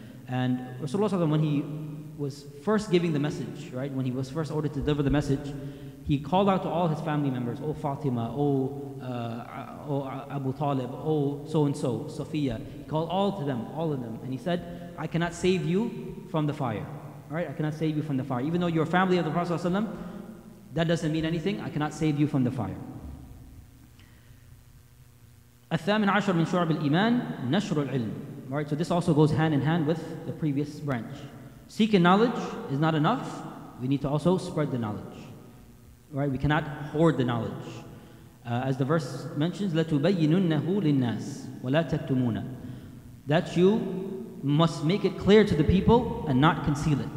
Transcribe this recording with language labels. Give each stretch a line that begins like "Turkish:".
English: And Rasulullah Sallallahu Alaihi Wasallam, when he was first giving the message, right, when he was first ordered to deliver the message, he called out to all his family members, oh Fatima, oh Abu Talib, oh so-and-so, Sophia. He called all of them, and he said, I cannot save you from the fire. All right, I cannot save you from the fire. Even though you're family of the Prophet ﷺ, that doesn't mean anything. I cannot save you from the fire.
Arabic: الثامن عشر من شعب الإيمان نشر العلم.
English: All right, so this also goes hand in hand with the previous branch. Seeking knowledge is not enough. We need to also spread the knowledge. Right, we cannot hoard the knowledge. As the verse mentions,
Arabic: لَتُبَيِّنُنَّهُ لِلنَّاسِ وَلَا تَكْتُمُونَ.
English: That you must make it clear to the people and not conceal it.